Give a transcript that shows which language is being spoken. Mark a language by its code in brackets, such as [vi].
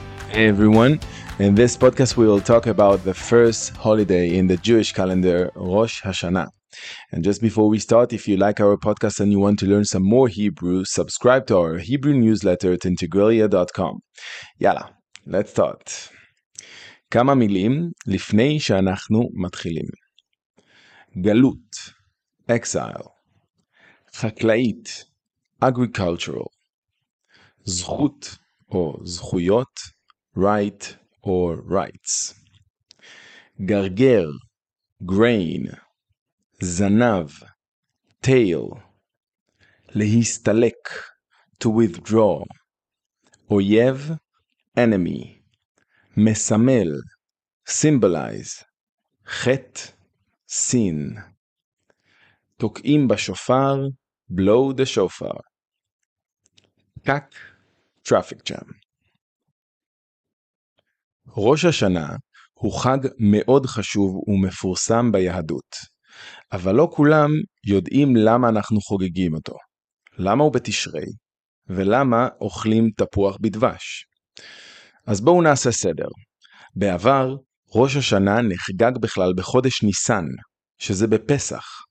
[en] Hey everyone, in this podcast we will talk about the first holiday in the Jewish calendar, Rosh Hashanah. And just before we start, if you like our podcast and you want to learn some more Hebrew, subscribe to our Hebrew newsletter at integraliah.com. Yala, let's start. [he] כמה מילים לפני שאנחנו מתחילים. גלות, exile. חקלאית, agricultural. זכות או זכויות, [en] right or rights. [he] גרגר, grain. זנב, tail. [en] להסתלק, to withdraw. [he] אויב, enemy. מסמל, symbolize. חטא, sin. תוקעים בשופר, [en] blow the shofar. פקק, traffic jam. [he] ראש השנה הוא חג מאוד חשוב ומפורסם ביהדות, אבל לא כולם יודעים למה אנחנו חוגגים אותו, למה הוא בתשרי, ולמה אוכלים תפוח בדבש. אז בואו נעשה סדר. בעבר, ראש השנה נחגג בכלל בחודש ניסן, שזה בפסח.